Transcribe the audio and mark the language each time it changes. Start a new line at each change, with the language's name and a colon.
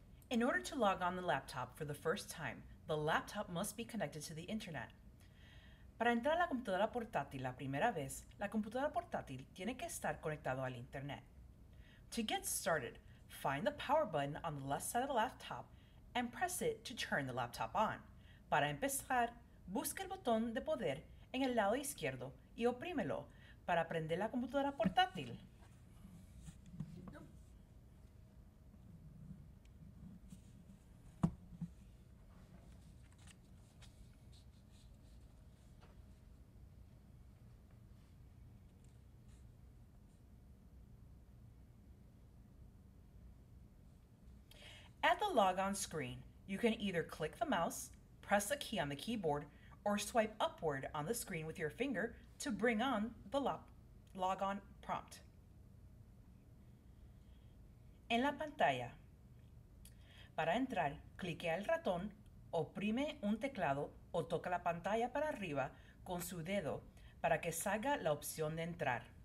English: In order to log on the laptop for the first time, the laptop must be connected to the internet.
Spanish: Para entrar a la computadora portátil la primera vez, la computadora portátil tiene que estar conectado al internet.
English: To get started, find the power button on the left side of the laptop and press it to turn the laptop on.
Spanish: Para empezar, busque el botón de poder en el lado izquierdo y oprímelo para prender la computadora portátil.
English: At the logon screen, you can either click the mouse, press a key on the keyboard, or swipe upward on the screen with your finger to bring on the logon prompt.
Spanish: En la pantalla. Para entrar, clique al ratón, oprime un teclado o toca la pantalla para arriba con su dedo para que salga la opción de entrar.